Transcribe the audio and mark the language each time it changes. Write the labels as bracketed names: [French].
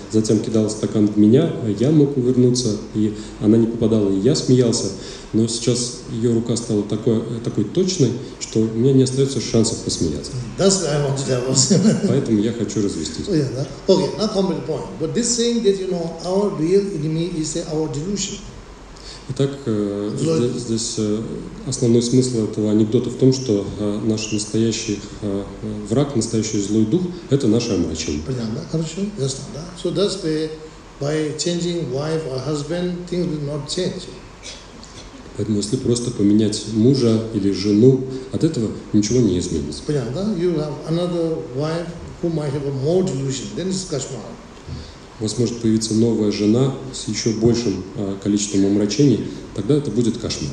[Russian] Затем кидал стакан в меня, я мог увернуться, и она не попадала, и я смеялся. Но сейчас ее рука стала такой точной, что у меня не остается шансов посмеяться. [English] That's what I want to tell us. [Russian] Поэтому я хочу развестись. [English] Oh, yeah, okay, not complete point. But this saying that, you know, our real enemy is our delusion. [Russian] Итак, здесь основной смысл этого анекдота в том, что наш настоящий враг, настоящий злой дух – это наше омрачение. Понятно, да? Хорошо, ясно, да? [English] So that's where by changing wife or husband, things will not change. [Russian] Поэтому если просто поменять мужа или жену, от этого ничего не изменится. Понятно, да? [English] You have another wife who might have a more delusion, then it's кошмар. [Russian] У вас может появиться новая жена с еще большим количеством омрачений, тогда это будет кошмар.